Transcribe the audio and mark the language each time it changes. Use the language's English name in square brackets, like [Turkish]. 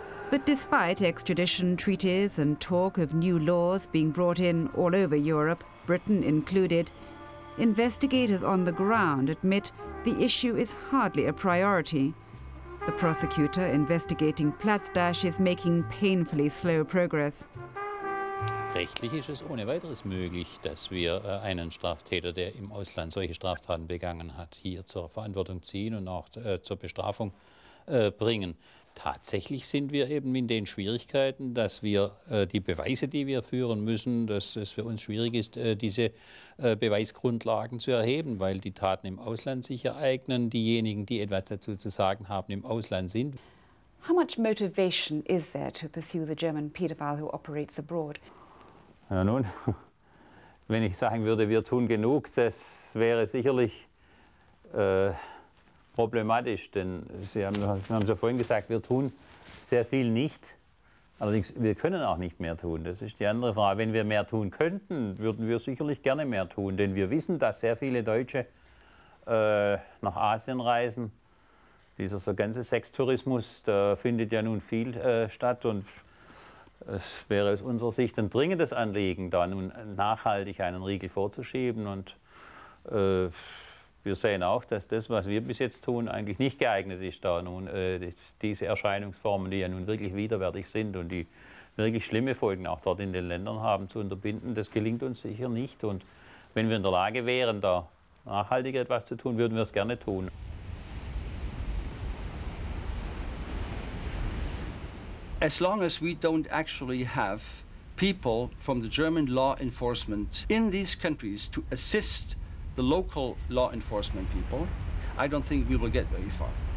[English] But despite extradition treaties and talk of new laws being brought in all over Europe, Britain included, investigators on the ground admit the issue is hardly a priority. The prosecutor investigating Platzdash is making painfully slow progress. [German] Rechtlich ist es ohne weiteres möglich, dass wir einen Straftäter, der im Ausland solche Straftaten begangen hat, hier zur Verantwortung ziehen und auch zur Bestrafung bringen. Tatsächlich sind wir eben in den Schwierigkeiten, dass wir die Beweise, die wir führen müssen, dass es für uns schwierig ist, diese Beweisgrundlagen zu erheben, weil die Taten im Ausland sich ereignen, diejenigen, die etwas dazu zu sagen haben, im Ausland sind. [English] How much motivation is there to pursue the German pedophile who operates abroad? [German] Ja nun, wenn ich sagen würde, wir tun genug, das wäre sicherlich problematisch, denn wir haben ja vorhin gesagt, wir tun sehr viel nicht. Allerdings, wir können auch nicht mehr tun. Das ist die andere Frage. Wenn wir mehr tun könnten, würden wir sicherlich gerne mehr tun. Denn wir wissen, dass sehr viele Deutsche nach Asien reisen. Dieser so ganze Sextourismus, da findet ja nun viel statt. Und es wäre aus unserer Sicht ein dringendes Anliegen, da nun nachhaltig einen Riegel vorzuschieben. Und wir sehen auch, dass das, was wir bis jetzt tun, eigentlich nicht geeignet ist, da nun diese Erscheinungsformen, die ja nun wirklich widerwärtig sind und die wirklich schlimme Folgen auch dort in den Ländern haben, zu unterbinden, das gelingt uns sicher nicht. Und wenn wir in der Lage wären, da nachhaltig etwas zu tun, würden wir es gerne tun. [English] As long as we don't actually have people from the German law enforcement in these countries to assist the local law enforcement people, I don't think we will get very far.